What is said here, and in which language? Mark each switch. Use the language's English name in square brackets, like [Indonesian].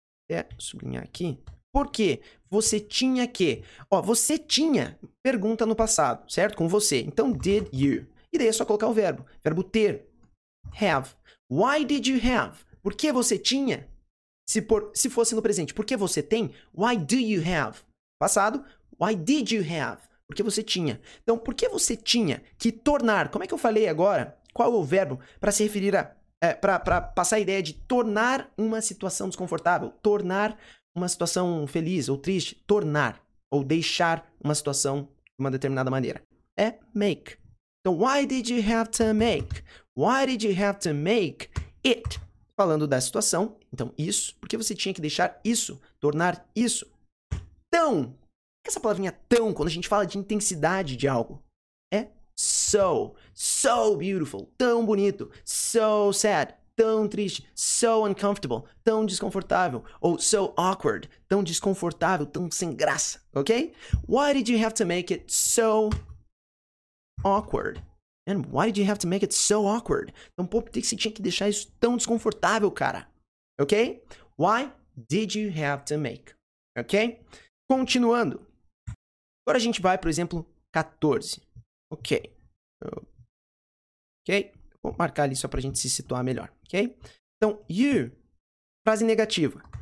[Portuguese] Até sublinhar aqui. Por quê? Você tinha que... Ó, você tinha pergunta no passado, certo? Com você. Então, [English] did you? [Portuguese] E daí é só colocar o verbo. Verbo ter. [English] Have. Why did you have? [Portuguese] Por que você tinha? Se fosse no presente, por que você tem? [English] Why do you have? [Portuguese] Passado, [English] why did you have? [Portuguese] Por que você tinha? Então, por que você tinha que tornar? Como é que eu falei agora? Qual é o verbo para se referir a... para passar a ideia de tornar uma situação desconfortável? Tornar uma situação feliz ou triste? Tornar ou deixar uma situação de uma determinada maneira. É make. [English] Então, why did you have to make? Why did you have to make it? [Portuguese] Falando da situação, então isso, por que você tinha que deixar isso, tornar isso tão? Essa palavrinha tão, quando a gente fala de intensidade de algo, é so, [English] so beautiful, [Portuguese] tão bonito, [English] so sad, [Portuguese] tão triste, [English] so uncomfortable, [Portuguese] tão desconfortável, ou [English] so awkward, [Portuguese] tão desconfortável, tão sem graça, ok? [English] Why did you have to make it so awkward? And why did you have to make it so awkward? [Portuguese] Então, pô, por que você tinha que deixar isso tão desconfortável, cara? [English] Ok? Why did you have to make? Ok? [Portuguese] Continuando. Agora a gente vai, por exemplo, 14. Ok. Ok? Vou marcar ali só pra gente se situar melhor. Ok? Então, you. Frase negativa.